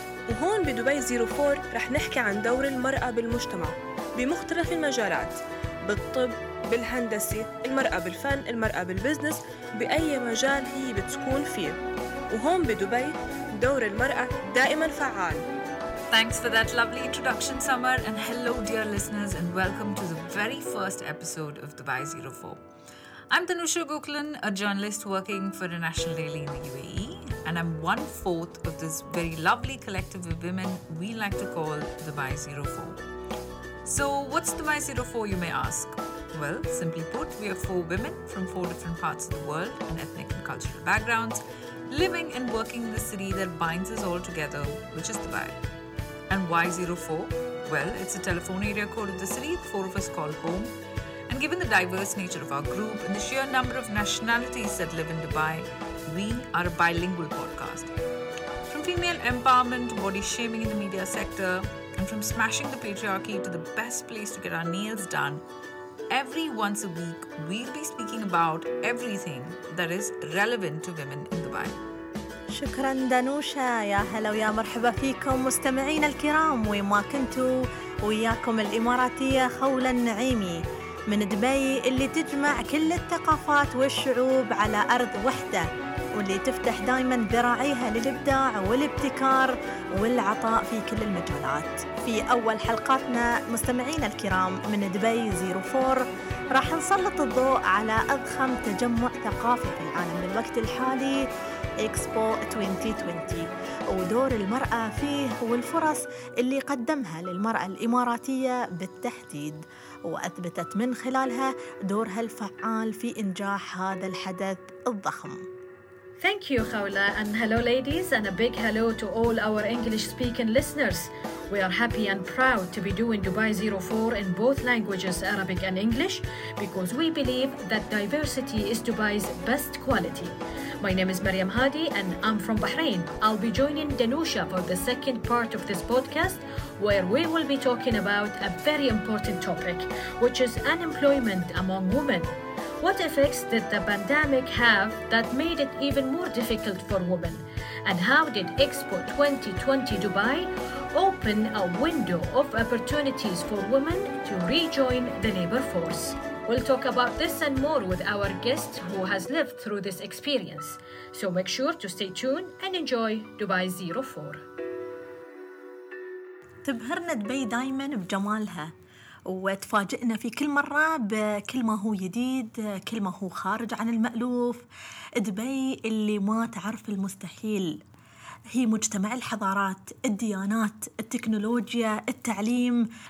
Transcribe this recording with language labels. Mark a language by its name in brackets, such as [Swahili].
[Arabic] وهون بدبي 04 رح نحكي عن دور المرأة بالمجتمع بمختلف المجالات، بالطب، بالهندسة، المرأة بالفن، المرأة بالبزنس، بأي مجال هي بتكون فيه. وهون بدبي دور المرأة دائما فعال. [English] Thanks for that lovely introduction, Samar, and hello dear listeners, and welcome to the very first episode of Dubai 04. I'm Tanusha Gokulan, a journalist working for a national daily in the UAE, and I'm 1/4 of this very lovely collective of women we like to call Dubai 04. So what's Dubai 04, you may ask? Well, simply put, we are four women from four different parts of the world and ethnic and cultural backgrounds, living and working in the city that binds us all together, which is Dubai. And why 04? Well, it's a telephone area code of the city the four of us call home. And given the diverse nature of our group and the sheer number of nationalities that live in Dubai, we are a bilingual podcast. From female empowerment to body shaming in the media sector, and from smashing the patriarchy to the best place to get our nails done, every once a week, we'll be speaking about everything that is relevant to women in Dubai. [Arabic] شكرا دانوشا، يا هلا ويا مرحبا فيكم مستمعين الكرام، وما كنتوا وياكم الإماراتية خولة النعيمي من دبي اللي تجمع كل الثقافات والشعوب على أرض وحدة، واللي تفتح دايما ذراعيها للإبداع والابتكار والعطاء في كل المجالات. في أول حلقاتنا مستمعين الكرام من دبي 04 راح نسلط الضوء على أضخم تجمع ثقافي في العالم بالوقت الحالي، إكسبو 2020، ودور المرأة فيه والفرص اللي قدمها للمرأة الإماراتية بالتحديد، وأثبتت من خلالها دورها الفعال في إنجاح هذا الحدث الضخم. [English] Thank you, Khawla, and hello ladies, and a big hello to all our English speaking listeners. We are happy and proud to be doing Dubai 04 in both languages, Arabic and English, because we believe that diversity is Dubai's best quality. My name is Maryam Hadi and I'm from Bahrain. I'll be joining Danusha for the second part of this podcast, where we will be talking about a very important topic, which is unemployment among women. What effects did the pandemic have that made it even more difficult for women? And how did Expo 2020 Dubai open a window of opportunities for women to rejoin the labor force? We'll talk about this and more with our guest who has lived through this experience. So make sure to stay tuned and enjoy Dubai 04. [Arabic] تبهرنا دبي دائما بجمالها، وتفاجئنا في كل مرة بكل ما هو جديد، كل ما هو خارج عن المألوف. دبي اللي ما تعرف المستحيل، هي مجتمع الحضارات، الديانات، التكنولوجيا، التعليم.